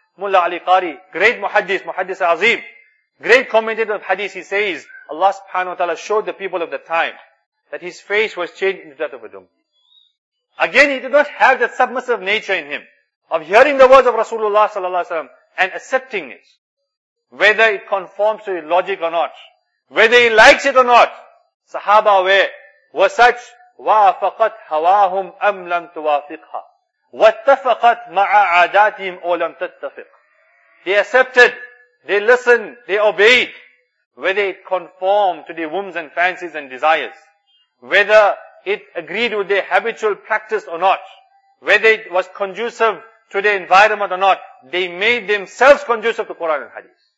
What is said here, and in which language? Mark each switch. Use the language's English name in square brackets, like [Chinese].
[English] Mulla Ali Qari, great muhaddith, muhaddith azim, great commentator of hadith, he says, Allah subhanahu wa ta'ala showed the people of the time that his face was changed into that of a donkey. Again, he did not have that submissive nature in him of hearing the words of Rasulullah sallallahu alaihi wasallam and accepting it, whether it conforms to his logic or not, whether he likes it or not. Sahaba were such, [Arabic] وَافَقَتْ هَوَاهُمْ أَمْ لَمْ تُوَافِقْهَا وَاتَّفَقَتْ مَعَ عَادَاتِهِمْ أَوْ لَمْ تَتَّفِقْ. [English] They accepted, they listened, they obeyed, whether it conformed to their whims and fancies and desires, whether it agreed with their habitual practice or not, whether it was conducive to their environment or not, they made themselves conducive to Quran and Hadith.